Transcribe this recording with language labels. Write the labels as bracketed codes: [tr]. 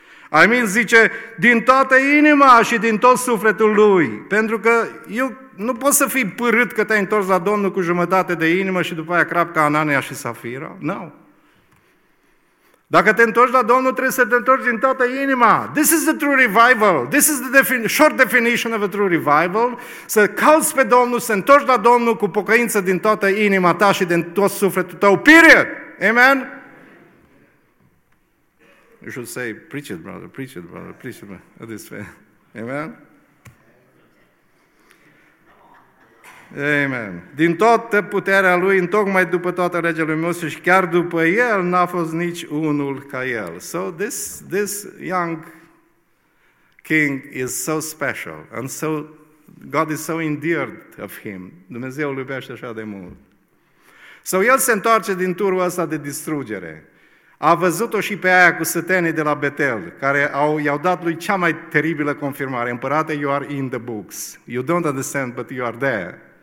[ro] Amin, zice, din toată inima și din tot sufletul lui. Pentru că eu nu pot să fii părât că te-ai întors la Domnul cu jumătate de inimă și după aia crap ca Anania și Safira. No. Dacă te întorci la Domnul, trebuie să te întorci din toată inima. [en] This is the true revival. This is the short definition of a true revival. [ro] Să cauți pe Domnul, să întorci la Domnul cu pocăință din toată inima ta și din tot sufletul tău. [en] Period! Amen? You should say, preach it, brother, preach it, brother, preach it, brother. This way. Amen? Amen. [ro] Din toată puterea lui, întocmai după toată legea lui Moise și chiar după el, n-a fost nici unul ca el. [en] So this young king is so special and so God is so endeared of him. [ro] Dumnezeu îl iubește așa de mult. So el se întoarce din turul ăsta de distrugere. A văzut-o și pe aia cu sătenii de la Betel, care i-au dat lui cea mai teribilă confirmare. [en] Împărate, you are in the books. You don't understand, but you are there.